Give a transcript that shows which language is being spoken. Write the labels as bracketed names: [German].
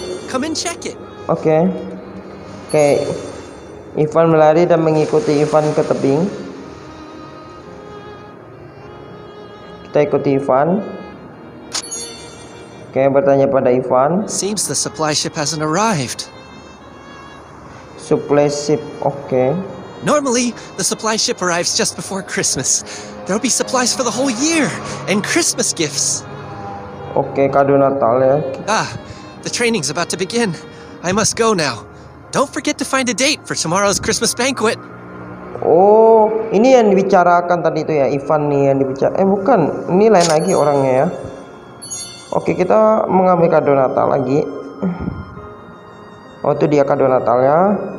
[English] Come and check it. [Indonesian] Oke. Okay. Oke. Okay. Ivan melari dan mengikuti Ivan ke tebing. Kita ikuti Ivan. Oke, okay, bertanya pada Ivan. [English] Seems the supply ship hasn't arrived. Supply ship. Oke. Okay. Normally, the supply ship arrives just before Christmas. There'll be supplies for the whole year and Christmas gifts. [Indonesian] Oke, okay, kado Natal ya. [English] Ah, the training's about to begin. I must go now. Don't forget to find a date for tomorrow's Christmas banquet. [Indonesian] Oh, ini yang dibicarakan tadi itu ya, Ivan nih yang dibicarakan. Bukan, ini lain lagi orangnya ya. Oke, kita mengambil kado Natal lagi. Oh, itu dia kado Natalnya.